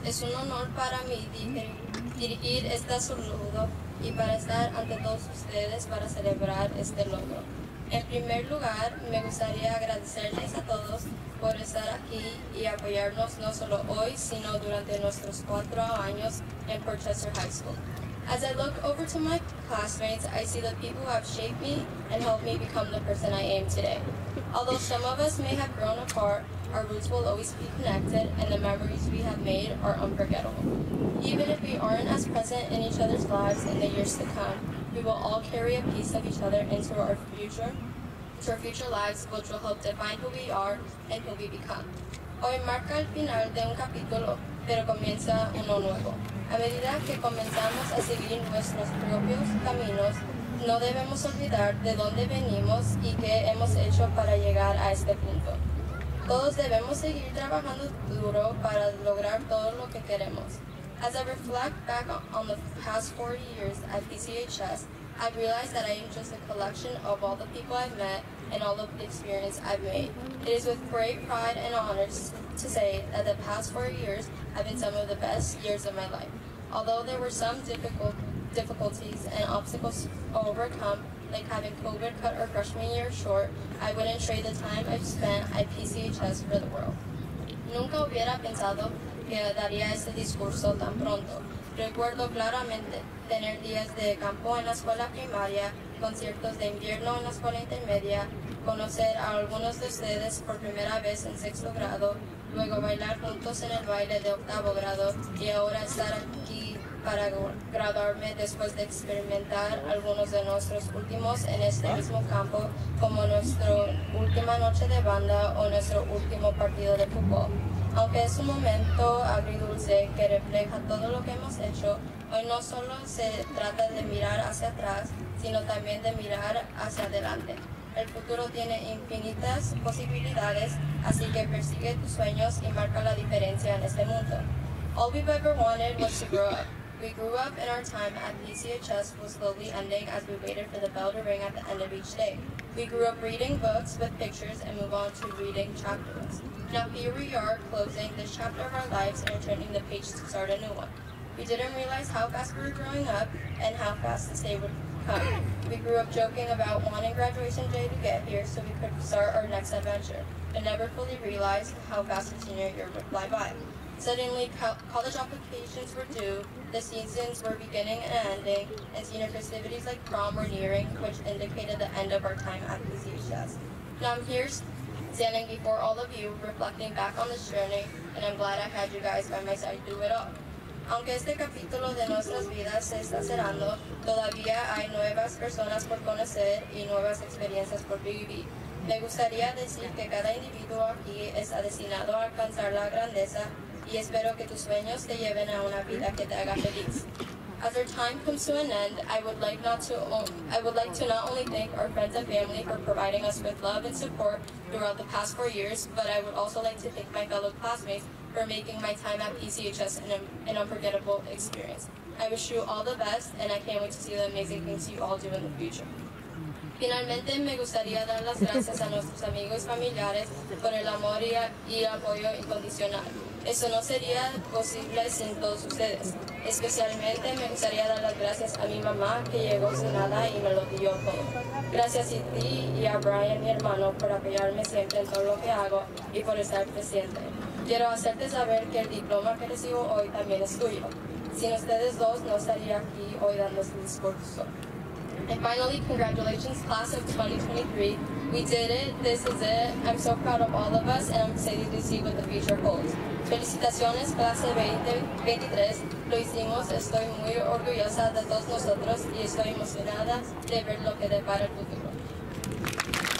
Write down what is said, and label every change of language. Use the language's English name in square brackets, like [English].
[Spanish] Es un honor para mí dirigir este saludo y para estar ante todos ustedes para celebrar este logro. En primer lugar, me gustaría agradecerles a todos por estar aquí y apoyarnos no solo hoy, sino durante nuestros 4 años in Portchester High School. [English] As I look over to my classmates, I see the people who have shaped me and helped me become the person I am today. Although some of us may have grown apart, our roots will always be connected and the memories we have made are unforgettable. Even if we aren't as present in each other's lives in the years to come, we will all carry a piece of each other into our future lives, which will help define who we are and who we become. [Spanish] Hoy marca el final de un capítulo, pero comienza uno nuevo. A medida que comenzamos a seguir nuestros propios caminos, no debemos olvidar de dónde venimos y qué hemos hecho para llegar a este punto. Todos debemos seguir trabajando duro para lograr todo lo que queremos. [English] As I reflect back on the past 4 years at PCHS, I've realized that I am just a collection of all the people I've met and all of the experience I've made. It is with great pride and honor to say that the past 4 years have been some of the best years of my life. Although there were some difficulties and obstacles to overcome, like having COVID cut our freshman year short, I wouldn't trade the time I've spent at PCHS for the world. [Spanish] Nunca hubiera pensado que daría este discurso tan pronto. Recuerdo claramente tener días de campo en la escuela primaria, conciertos de invierno en la escuela intermedia, conocer a algunos de ustedes por primera vez en sexto grado, luego bailar juntos en el baile de octavo grado y ahora estar aquí para graduarme después de experimentar algunos de nuestros últimos en este mismo campo, como nuestra última noche de banda o nuestro último partido de fútbol. Aunque es un momento agridulce que refleja todo lo que hemos hecho, hoy no solo se trata de mirar hacia atrás, sino también de mirar hacia adelante. El futuro tiene infinitas posibilidades, así que persigue tus sueños y marca la diferencia en este mundo. [English] All we've ever wanted was to grow up. We grew up and our time at PCHS was slowly ending as we waited for the bell to ring at the end of each day. We grew up reading books with pictures and move on to reading chapters. Now here we are closing this chapter of our lives and turning the page to start a new one. We didn't realize how fast we were growing up and how fast this day would come. We grew up joking about wanting graduation day to get here so we could start our next adventure, but never fully realized how fast the senior year would fly by. Suddenly, college applications were due, the seasons were beginning and ending, and senior festivities like prom were nearing, which indicated the end of our time at PCHS. Now I'm here standing before all of you, reflecting back on this journey, and I'm glad I had you guys by my side through it all. [Spanish] Aunque este capítulo de nuestras vidas se está cerrando, todavía hay nuevas personas por conocer y nuevas experiencias por vivir. Me gustaría decir que cada individuo aquí está destinado a alcanzar la grandeza y espero que tus sueños te lleven a una vida que te haga feliz. [English] As our time comes to an end, I would like to not only thank our friends and family for providing us with love and support throughout the past 4 years, but I would also like to thank my fellow classmates for making my time at PCHS an unforgettable experience. I wish you all the best, and I can't wait to see the amazing things you all do in the future. [Spanish] Finalmente, me gustaría dar las gracias a nuestros amigos y familiares por el amor y apoyo incondicional. Eso no sería posible sin todos ustedes. Especialmente me gustaría dar las gracias a mi mamá que llegó sin nada y me lo dio todo. Gracias a ti y a Brian, mi hermano, por apoyarme siempre en todo lo que hago y por estar presente. Quiero hacerte saber que el diploma que recibo hoy también es tuyo. Sin ustedes dos, no estaría aquí hoy dando este discurso. [English] And finally, congratulations, class of 2023. We did it. This is it. I'm so proud of all of us, and I'm excited to see what the future holds. [Spanish] Felicitaciones, clase 2023. Lo hicimos. Estoy muy orgullosa de todos nosotros, y estoy emocionada de ver lo que depara el futuro.